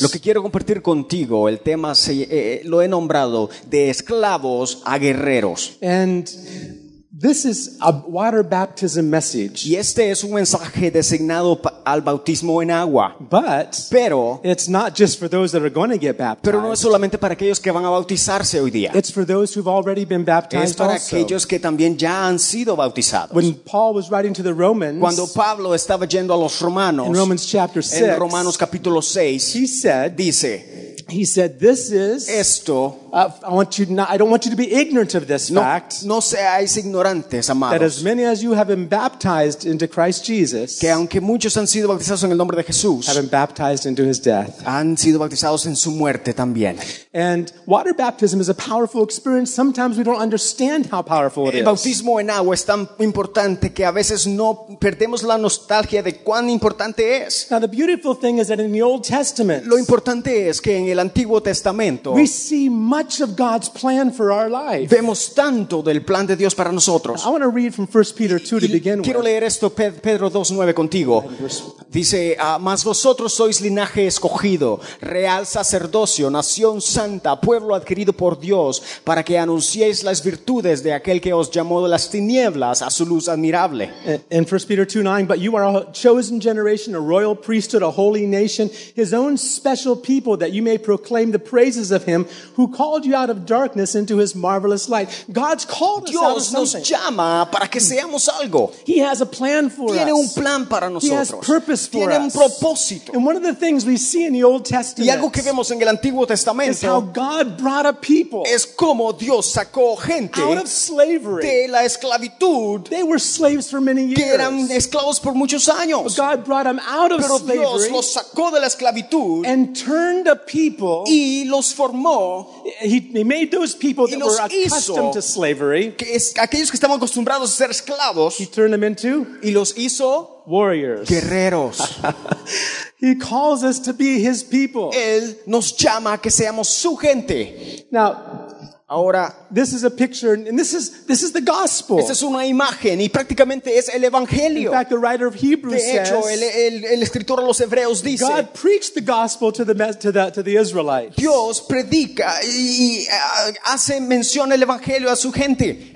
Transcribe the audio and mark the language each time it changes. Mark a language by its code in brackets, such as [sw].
[es] Lo que quiero compartir contigo, el tema se, lo he nombrado de esclavos a guerreros. [en] And this is a water baptism message. [es] Y este es un mensaje designado al bautismo en agua. [en] But [es] pero, [en] it's not just for those that are going to get baptized. [es] Pero no es solamente para aquellos que van a bautizarse hoy día. [en] It's for those who've already been baptized. [es] Es para [en] also. [es] Aquellos que también ya han sido bautizados. [en] When Paul was writing to the Romans, [es] cuando Pablo estaba yendo a los romanos, [en] in Romans chapter 6, [es] en Romanos capítulo 6, [en] he said, [es] dice, [en] he said, this is [es] esto. [en] I want you not. I don't want you to be ignorant of this fact. [es] No, no seáis ignorantes, amados. [en] That as many as you have been baptized into Christ Jesus, [es] que aunque muchos han sido bautizados en el nombre de Jesús, [en] have been baptized into His death, [es] han sido bautizados en su muerte también. [en] And water baptism is a powerful experience. Sometimes we don't understand how powerful it is. [es] El bautismo en agua es tan importante que a veces no perdemos la nostalgia de cuán importante es. [en] Now the beautiful thing is that in the Old Testament, [es] lo importante es que en el Antiguo Testamento, [en] we see much of God's plan for our life. [es] Vemos tanto del plan de Dios para nosotros. [en] I want to read from 1 Peter 2 to begin with. [es] Quiero leer esto, Pedro 2:9 contigo. Dice, mas vosotros sois linaje escogido, real sacerdocio, nación santa, pueblo adquirido por Dios, para que anunciéis las virtudes de aquel que os llamó de las tinieblas a su luz admirable. [en] In 1 Peter 2:9, but you are a chosen generation, a royal priesthood, a holy nation, his own special people, that you may proclaim the praises of him who called you out of darkness into his marvelous light. God's called [es] Dios [en] us out of something. [es] Dios nos llama para que seamos algo. [en] He has a plan for [es] tiene Tiene un plan para nosotros. [en] He has purpose for [es] tiene [en] us. [es] Tiene un propósito. [en] And one of the things we see in the Old Testament, [es] y algo que vemos en el Antiguo Testamento, [en] is how God brought a people, [es] es como Dios sacó gente, [en] out of slavery, [es] de la esclavitud. [en] They were slaves for many years, [es] que eran esclavos por muchos años. [en] But God brought them out of [es] pero [en] slavery, [es] Dios los sacó de la esclavitud, [en] and turned a people, [es] y los formó. [en] He made those people that were accustomed to slavery. [es] Que es, aquellos que estaban acostumbrados a ser esclavos. [en] He turned them into. [es] Y los hizo [en] warriors. [es] Guerreros. [en] He calls us to be His people. [es] Él nos llama a que seamos su gente. [en] Now, [es] ahora, [en] this is a picture, and this is the gospel. [es] Esta es una imagen, y prácticamente es el evangelio. [en] In fact, the writer of Hebrews [es] de hecho, [en] says, [es] el escritor a los hebreos dice, [en] God preached the gospel to the Israelites. [es] Dios predica y hace mención el evangelio a su gente.